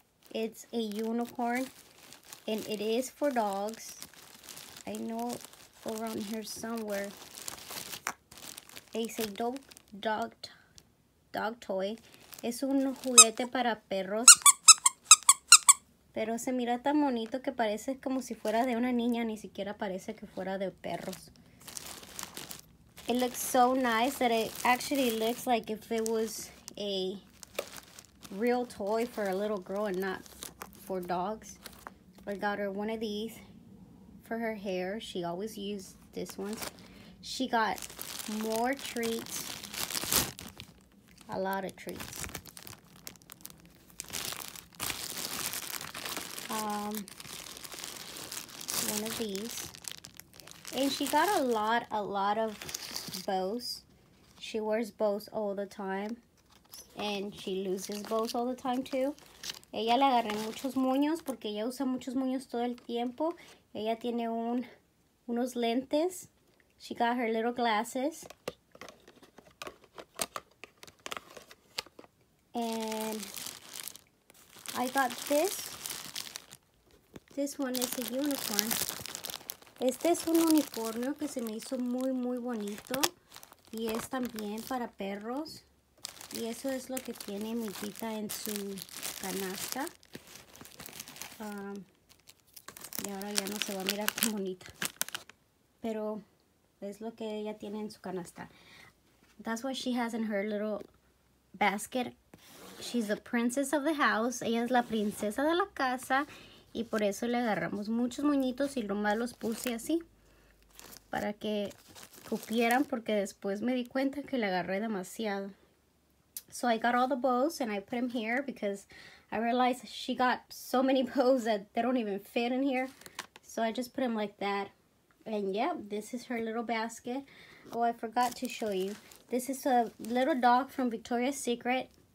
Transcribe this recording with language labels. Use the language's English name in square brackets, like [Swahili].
[English] It's a unicorn, and it is for dogs. I know over on here somewhere, they say dog toy. [Spanish] Es un juguete para perros. Pero se mira tan bonito que parece como si fuera de una niña, ni siquiera parece que fuera de perros. [English] It looks so nice that it actually looks like if it was a real toy for a little girl and not for dogs. I got her one of these for her hair. She always used this one. She got more treats. A lot of treats. One of these. And she got a lot of bows. She wears bows all the time. And she loses bows all the time too. [Spanish] Ella le agarré muchos moños porque ella usa muchos moños todo el tiempo. Ella tiene unos lentes. [English] She got her little glasses. And I got this. This one is a unicorn. [Spanish] Este es un unicornio que se me hizo muy, muy bonito. Y es también para perros. Y eso es lo que tiene mi tita en su canasta. Y ahora ya no se va a mirar tan bonita. Pero es lo que ella tiene en su canasta. [English] That's what she has in her little basket. She's the princess of the house. [Spanish] Ella es la princesa de la casa. Y por eso le agarramos muchos moñitos y nomás los puse así. Para que cupieran, porque después me di cuenta que le agarré demasiado. [English] So I got all the bows and I put them here because I realized she got so many bows that they don't even fit in here. So I just put them like that. And yeah, this is her little basket. Oh, I forgot to show you. This is a little dog from Victoria's Secret.